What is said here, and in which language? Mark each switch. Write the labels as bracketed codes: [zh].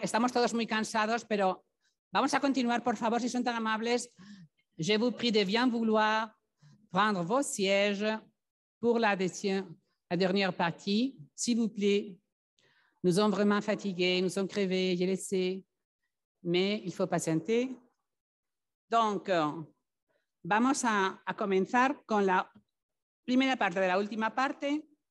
[es] Estamos todos muy cansados, pero vamos a continuar, por favor, si son tan amables. [fr] Je vous prie de bien vouloir prendre vos sièges pour la dernière partie. S'il vous plaît, nous sommes vraiment fatigués, nous sommes crevés, j'ai laissé, mais il faut patienter. [es] Donc, vamos a comenzar con la primera parte de la última parte.